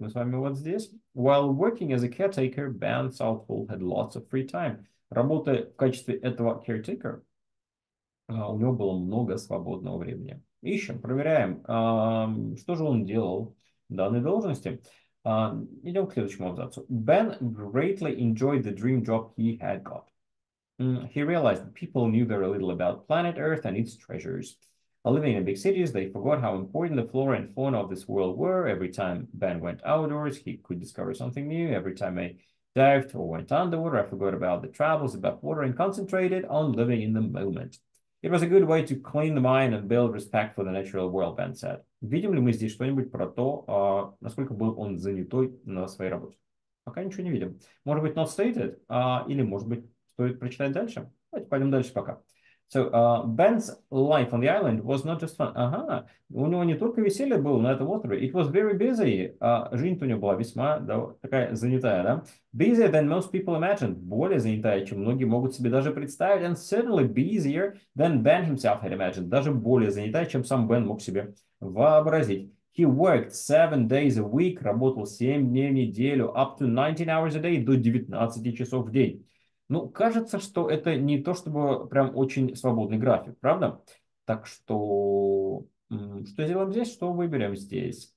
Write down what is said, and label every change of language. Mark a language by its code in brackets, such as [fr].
[ru] Мы с вами вот здесь. [en] While working as a caretaker, Ben Southall had lots of free time. [ru] Работая в качестве этого caretaker, у него было много свободного времени. Ищем, проверяем, что же он делал в данной должности. Идем к следующему абзацу. [en] Ben greatly enjoyed the dream job he had got. He realized that people knew very little about planet Earth and its treasures. Living in big cities, they forgot how important the flora and fauna of this world were. Every time Ben went outdoors, he could discover something new. Every time I dived or went underwater, I forgot about the travels above water and concentrated on living in the moment. It was a good way to clean the mind and build respect for the natural world, Ben said. [ru] Видим ли мы здесь что-нибудь про то, насколько был он занятой на своей работе? Пока ничего не видим. Может быть, [en] not stated? [ru] Или, может быть, стоит прочитать дальше? Давайте пойдем дальше пока. [en] So, Ben's life on the island was not just fun. [ru] Ага, у него не только веселье было на этом острове. [en] It was very busy. [ru] Жизнь у него была весьма, да, такая занятая, да? [en] Busier than most people imagined. [ru] Более занятая, чем многие могут себе даже представить. [en] And certainly busier than Ben himself had imagined. [ru] Даже более занятая, чем сам Бен мог себе вообразить. [en] He worked 7 days a week. [ru] Работал 7 дней в неделю. [en] Up to 19 hours a day. [ru] До 19 часов в день. Ну, кажется, что это не то, чтобы прям очень свободный график, правда? Так что, что сделаем здесь, что выберем здесь?